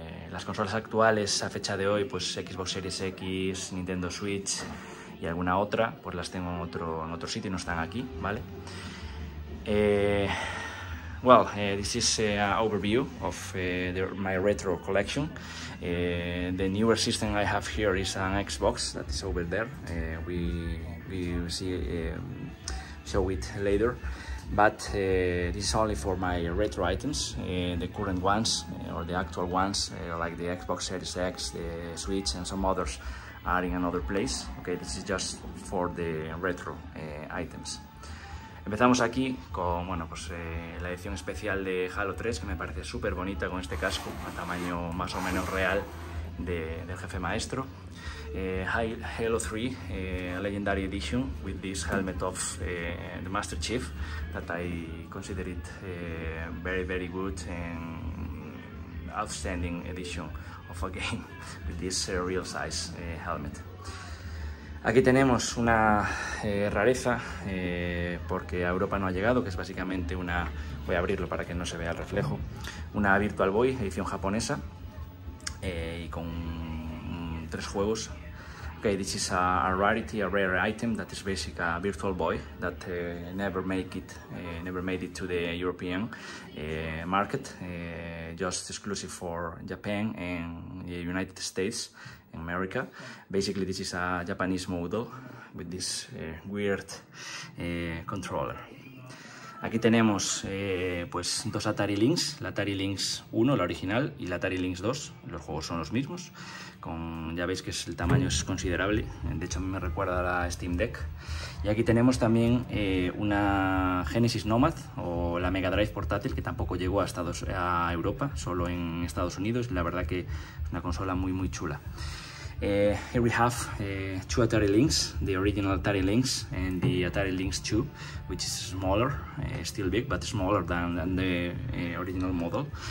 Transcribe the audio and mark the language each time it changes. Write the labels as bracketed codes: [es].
[es] Las consolas actuales a fecha de hoy, pues Xbox Series X, Nintendo Switch y alguna otra, pues las tengo en otro sitio y no están aquí, ¿vale? [en] This is an overview of my retro collection. The newer system I have here is an Xbox that is over there. We see show it later, but this is only for my retro items. The current ones or the actual ones, like the Xbox Series X, the Switch, and some others, are in another place. Okay, this is just for the retro items. [es] Empezamos aquí con, bueno, pues la edición especial de Halo 3, que me parece súper bonita, con este casco a tamaño más o menos real del jefe maestro. [en] Halo 3 Legendary Edition with this helmet of the Master Chief that I consider it very very good and outstanding edition of a game with this real size helmet. [es] Aquí tenemos una rareza, porque a Europa no ha llegado, que es básicamente una, voy a abrirlo para que no se vea el reflejo, una Virtual Boy edición japonesa, y con 3 juegos. [en] Okay, this is a rarity, a rare item that is basically a Virtual Boy that never made it to the European market, just exclusive for Japan and the United States. America. Basically, this is a Japanese model with this weird controller. [es] Aquí tenemos pues 2 Atari Lynx, la Atari Lynx 1, la original, y la Atari Lynx 2. Los juegos son los mismos. Ya veis que el tamaño es considerable. De hecho, a mí me recuerda a la Steam Deck. Y aquí tenemos también una Genesis Nomad o la Mega Drive portátil, que tampoco llegó a Europa, solo en Estados Unidos. La verdad que es una consola muy, muy chula. [en] Here we have 2 Atari Lynx, the original Atari Lynx and the Atari Lynx 2, which is smaller, still big, but smaller than the original model.